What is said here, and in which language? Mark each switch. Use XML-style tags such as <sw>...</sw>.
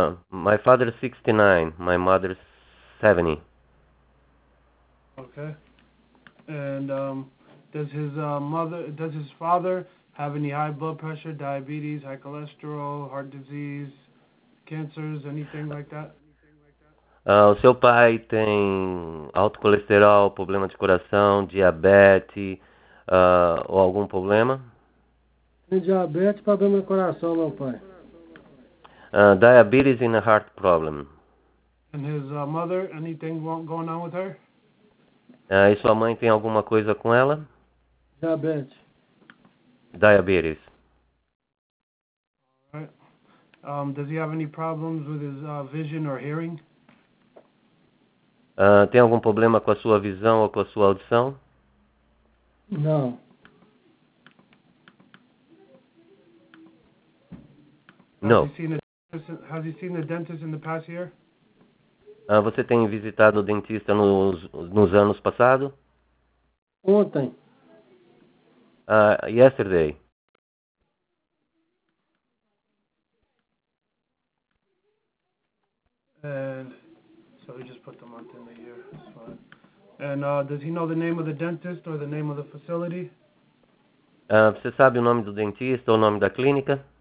<en>My father is 69, my mother is 70. Okay. And does his father have any high blood pressure, diabetes, high cholesterol, heart disease, cancers, anything like that?</en> <pt>O seu pai tem alto colesterol, problema de coração, diabetes, ou algum problema? Tem diabetes, problema no coração, meu pai.</pt> <en>Diabetes and a heart problem. And his mother, anything going on with her?</en> <pt>E sua mãe tem alguma coisa com ela? Diabetes.</pt> <en>Does he have any problems with his vision or hearing?</en> <pt>Tem algum problema com a sua visão ou com a sua audição? Não. Não.</pt> <en>Has he seen the dentist in the past year?</en> <pt>Você tem visitado o dentista nos anos passados? Ontem.</pt> <en>Yesterday. And so we just put the month in the year. That's fine. And does he know the name of the dentist or the name of the facility?</en> <pt>Você sabe o nome do dentista ou o nome da clínica?</pt>